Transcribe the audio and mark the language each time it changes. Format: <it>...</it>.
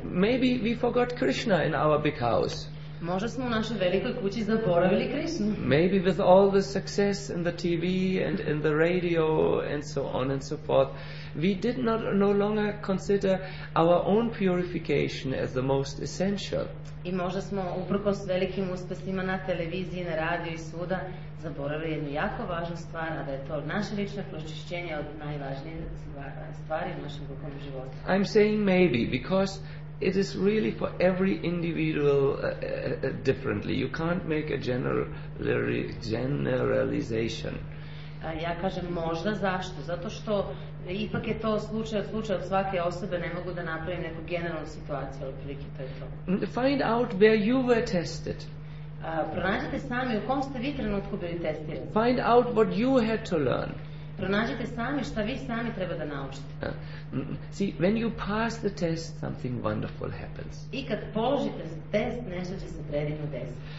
<en>Maybe we forgot Krishna in our big house.</en> <sr>Možda smo u našoj velikoj kući zaboravili Krishnu.</sr> <en>Maybe with all the success in the TV and in the radio and so on and so forth, we did not no longer consider our own purification as the most essential.</en> <sr>I možda smo uprkos velikim uspjesima na televiziji, na radiju i svuda zaboravili jednu jako važnu stvar, a da je to naše lično pročišćenje od najvažnije stvari u našem duhovnom životu.</sr> <en>I'm saying maybe because it is really for every individual differently. You can't make a generalization.</en> <sr>Ja kažem možda zašto? Zato što ipak je to slučaj od svake osobe, ne mogu da napravim neku generalnu situaciju, ali prilike to je to.</sr> <en>Find out where you were tested.</en> <sr>Pronađite sami u kom ste vi trenutku bili testirani.</sr> <en>Find out what you had to learn.</en> <sr>Pronađite sami šta vi sami treba da naučite.</sr> <en>See, when you pass the test, something wonderful happens.</en> <sr>I kad položite test, nešto će se predivno desiti.</sr>